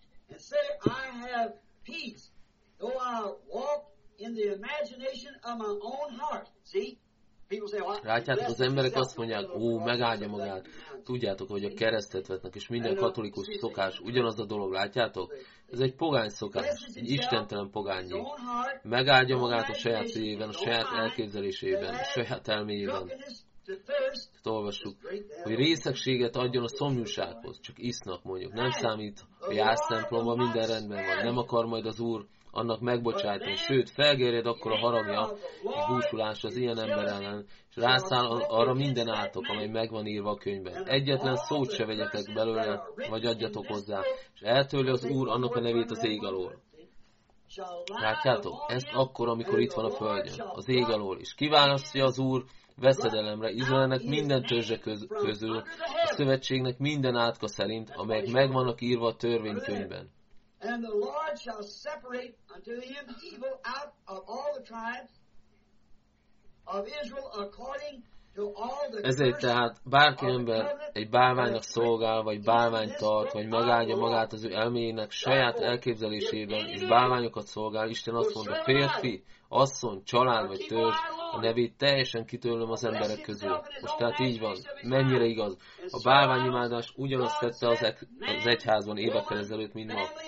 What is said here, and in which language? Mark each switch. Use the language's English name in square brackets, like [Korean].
[English] And say, I have peace, though I walk in the imagination of my own heart. See? [Hungarian] Látjátok, az emberek azt mondják, ó, megáldja magát. Tudjátok, hogy a keresztet vetnek, és minden katolikus szokás, ugyanaz a dolog, látjátok? Ez egy pogány szokás, egy istentelen pogányi. Megáldja magát a saját szívében, a saját elképzelésében, a saját elméjében. Ezt olvassuk, hogy részegséget adjon a szomjúsághoz, csak isznak mondjuk. Nem számít, hogy jársz templomba, minden rendben van, nem akar majd az Úr annak megbocsátni, sőt, felgerjed akkor a haragja, a búsulás az ilyen ember ellen, és rászáll arra minden átok, amely megvan írva a könyvben. Egyetlen szót se vegyetek belőle, vagy adjatok hozzá, és eltörli az Úr annak a nevét az ég alól. Látjátok? Ezt akkor, amikor itt van a földön, az ég alól, és kiválasztja az Úr veszedelemre Izraelnek minden törzse közül, a szövetségnek minden átka szerint, amelyek megvannak írva a törvénykönyvben. [English] And the Lord shall separate unto him evil out of all the tribes of Israel according to all the. [Hungarian] Ezért tehát bárki ember egy bálványnak szolgál, vagy bálványt tart, vagy megáldja magát az ő elméjének saját elképzelésében, és bálványokat szolgál, Isten azt mondja, férfi, asszony, család vagy törzs, a nevét teljesen kitörlöm az emberek közül. Most tehát így van, mennyire igaz. A bálványimádás ugyanazt tette az egyházban évekkel ezelőtt, mint ma.